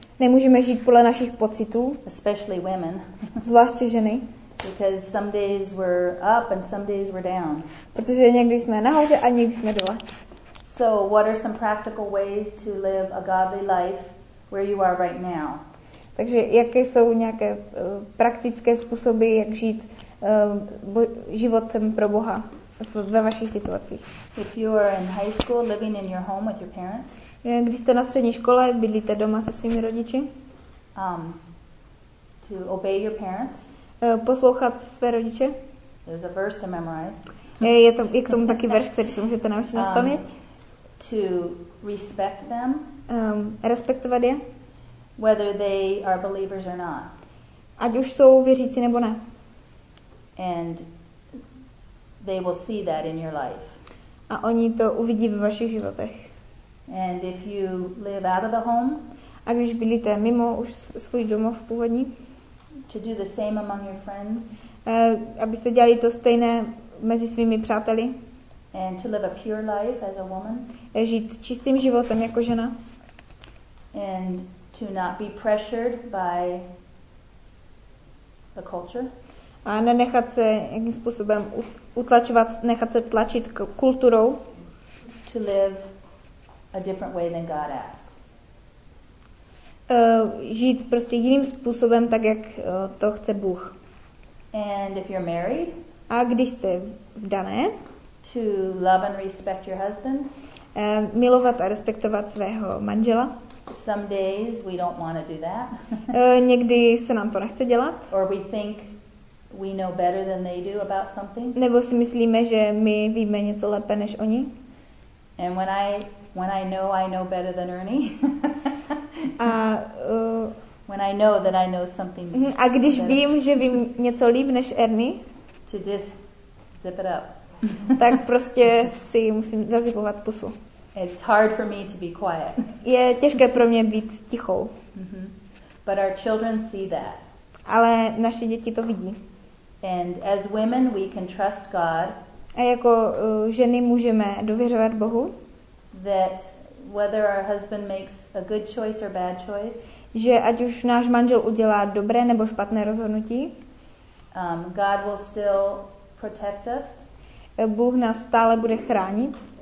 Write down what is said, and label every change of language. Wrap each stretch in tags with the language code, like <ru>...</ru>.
<cs>Nemůžeme žít podle našich pocitů.</cs> <en>Especially women.</en> <cs>Zvláště ženy.</cs> <en>Because some days we're up and some days we're down.</en> <cs>Protože někdy jsme nahoře a někdy jsme dole.</cs> <en>So what are some practical ways to live a godly life where you are right now?</en> <cs>Takže jaké jsou nějaké praktické způsoby, jak žít životem pro Boha ve vašich situacích?</cs> <en>If you are in high school, living in your home with your parents.</en> <cs>Když jste na střední škole, bydlíte doma se svými rodiči?</cs> <en>To obey your parents.</en> <cs>Poslouchat své rodiče?</cs> <en>There's a verse to memorize.</en> <cs>Je k tomu taky verš, který si můžete naučit na paměť?</cs> <en>To respect them.</en> <cs>Respektovat je?</cs> <en>Whether they are believers or not.</en> <cs>Ať už jsou věřící nebo ne.</cs> <en>And they will see that in your life.</en> <cs>A oni to uvidí ve vašich životech.</cs> <en>And if you live out of the home,</en> <cs>a když bydlíte mimo už svůj domov původní,</cs> <en>to do the same among your friends,</en> <cs>abyste dělali to stejné mezi svými přáteli,</cs> <en>and to live a pure life as a woman,</en> <cs>žít čistým životem jako žena,</cs> <en>and to not be pressured by the culture.</en> <cs>A nenechat se nějakým způsobem utlačovat, nechat se tlačit kulturou.</cs> <en>To live a different way than God asks.</en> <cs>Žít prostě jiným způsobem, tak jak to chce Bůh.</cs> <en>And if you're married,</en> <cs>a když jste vdané,</cs> <en>to love and respect your husband.</en> <cs>Milovat a respektovat svého manžela.</cs> <en>Some days we don't want to do that.</en> <cs>Někdy se nám to nechce dělat.</cs> <en>Or we think we know better than they do about something.</en> <cs>Nebo si myslíme, že my víme něco lépe než oni.</cs> <en>And when I know better than Ernie.</en> <cs>A</cs> <en>when I know that I know something.</en> <cs>A když vím, že vím něco líp než Ernie,</cs> <en>to just zip it up.</en> <cs>Tak prostě si musím zazipovat pusu.</cs> <en>It's hard for me to be quiet.</en> <cs>Je těžké pro mě být tichou.</cs> <en>But our children see that.</en> <cs>Ale naše děti to vidí.</cs> <en>And as women we can trust God.</en> <cs>A jako ženy můžeme důvěřovat Bohu.</cs> <en>That whether our husband makes a good choice or bad choice.</en> <cs>Že ať už náš manžel udělá dobré nebo špatné rozhodnutí.</cs> <en>God will still protect us.</en> <cs>Bůh nás stále bude chránit.</cs>